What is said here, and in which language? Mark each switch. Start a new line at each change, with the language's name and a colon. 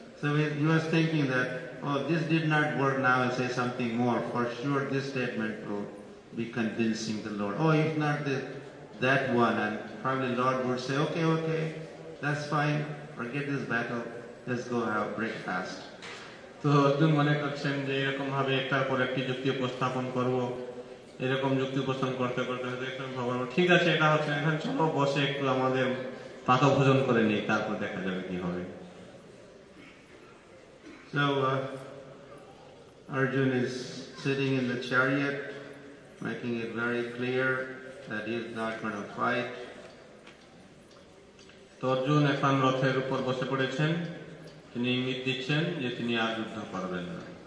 English: So he was thinking that, oh, this did not work, now I'll say something more. For sure this statement will be convincing the Lord. Oh, if not that one, and probably Lord would say, okay, okay, that's fine, forget this battle. Let's go have breakfast.
Bangla: তো অর্জুন মনে করছেন যে এরকম ভাবে একটার পর একটি যুক্তি উপস্থাপন করব, এরকম যুক্তি উপস্থাপন করতে করতে ভগবান ঠিক আছে এটা হচ্ছে, এখন চলো বসে একটু আমাদের পাক ভোজন করে নিই, তারপর দেখা যাবে কি হবে.
English: So Arjun is sitting in the chariot, making it very clear that he is not going to fight.
Bangla: তো অর্জুন এখন রথের উপর বসে পড়েছেন, তিনি ইঙ্গিত দিচ্ছেন যে তিনি আর যুদ্ধ করবেন না.